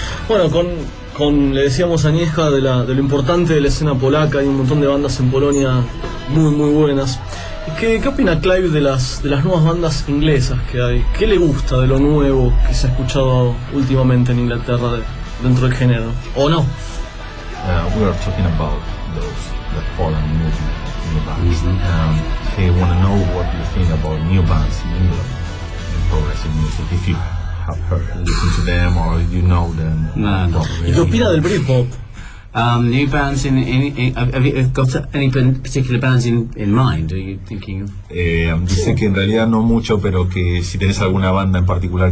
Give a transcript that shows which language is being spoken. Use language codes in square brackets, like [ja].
[es] Bueno, con le decíamos a Agnieszka de lo importante de la escena polaca, hay un montón de bandas en Polonia muy muy buenas. ¿Qué opina Clive de las nuevas bandas inglesas que hay? ¿Qué le gusta de lo nuevo que se ha escuchado últimamente en Inglaterra dentro del género? ¿O no? [en] We are talking about the Poland movement, new bands. They want to know what you think about new bands in England, in progressive music, if you have heard, listen to them, or you know them. No. [es] ¿Y qué opina del Britpop? [en] New bands have you got any particular bands in mind? Are you thinking of? [es] Dice que en realidad no mucho, pero que si tenés alguna banda en particular.